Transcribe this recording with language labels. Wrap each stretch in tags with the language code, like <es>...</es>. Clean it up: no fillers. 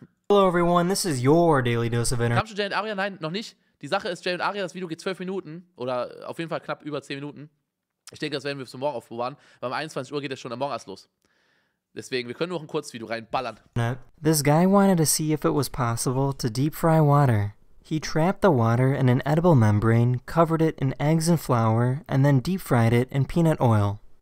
<en>Hello everyone, this is your daily dose of internet.</en> <de>Kamst du Jay und Aria? Nein, noch nicht. Die Sache ist, Jay und Aria, das Video geht 12 Minuten oder auf jeden Fall knapp über 10 Minuten. Ich denke, das werden wir bis morgen aufbewahren, weil um 21 Uhr geht das schon am Morgen erst los. Deswegen, wir können nur noch ein Kurzvideo reinballern.</de> <en>This guy wanted to see if it was possible to deep fry water. He trapped the water in an edible membrane, covered it in eggs and flour, and then deep fried it in peanut oil.</en>